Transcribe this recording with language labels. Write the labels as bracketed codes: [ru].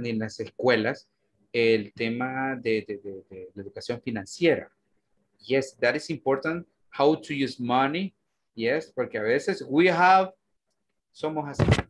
[es] Ni en las escuelas, el tema de la educación financiera. [en] Yes, that is important, how to use money. [es] Yes, porque a veces we have, somos así.